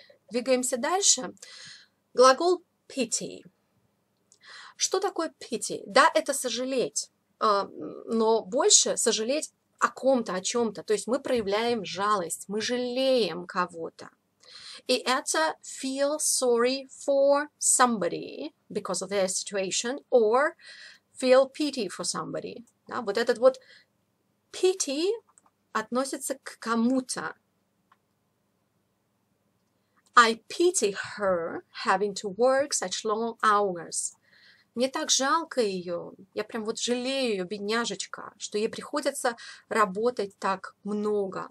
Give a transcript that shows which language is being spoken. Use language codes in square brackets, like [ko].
[ru] Двигаемся дальше. Глагол pity. Что такое pity? Да, это сожалеть, но больше сожалеть о ком-то, о чем-то. То есть мы проявляем жалость, мы жалеем кого-то. И это [en] feel sorry for somebody because of their situation or feel pity for somebody. [ru] Да, вот этот вот pity относится к кому-то. [en] I pity her having to work such long hours. [ru] Мне так жалко ее. Я прям вот жалею ее, бедняжечка, что ей приходится работать так много.